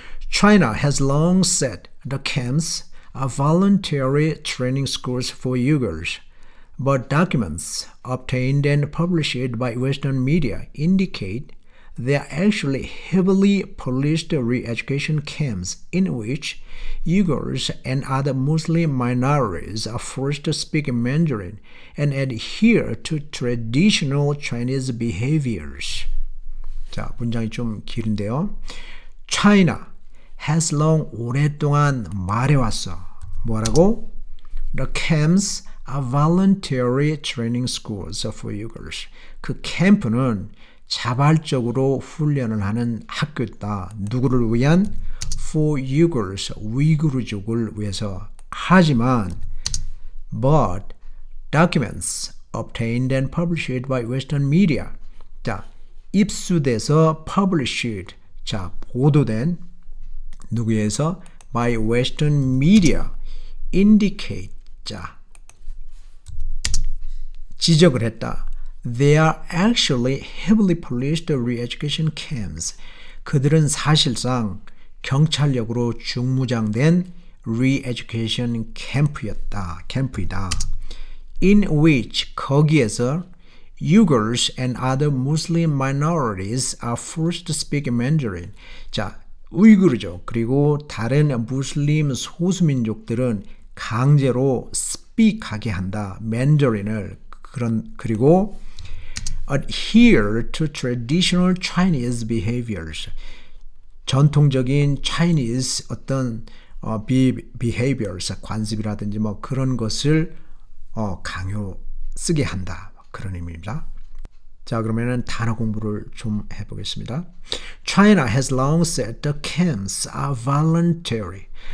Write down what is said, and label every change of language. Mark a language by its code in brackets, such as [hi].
[en] China has long said the camps are voluntary training schools for Uyghurs, but documents obtained and published by Western media indicate they are actually heavily policed re-education camps in which Uyghurs and other Muslim minorities are forced to speak Mandarin and adhere to traditional Chinese behaviors. [ko] 자, 문장이 좀 길은데요. [en] China has long [ko] 오랫동안 말해왔어. 뭐라고? [en] The camps are voluntary training schools for Uyghurs. [ko] 그 캠프는 자발적으로 훈련을 하는 학교다. 누구를 위한? [en] For Uyghurs, [ko] 위구르족을 위해서. 하지만, [en] but documents obtained and published by Western media. [ko] 자, 입수돼서 published. 자, 보도된 누구에서? [en] By Western media indicate. [ko] 자, 지적을 했다. [en] They are actually heavily policed re-education camps. [ko] 그들은 사실상 경찰력으로 중무장된 re-education camp였다. camp이다. [en] In which [ko] 거기에서 [en] Uyghurs and other Muslim minorities are forced to speak Mandarin. [ko] 자, 우이그르죠. 그리고 다른 무슬림 소수민족들은 강제로 speak하게 한다. [en] Mandarin을. [ko] 그리고 [en] adhere to traditional Chinese behaviors. [ko] 전통적인 Chinese 어떤 behaviors, 관습이라든지 뭐 그런 것을 강요 쓰게 한다. 그런 의미입니다. 자, 그러면은 단어 공부를 좀 해보겠습니다. [en] China has long said the camps are voluntary.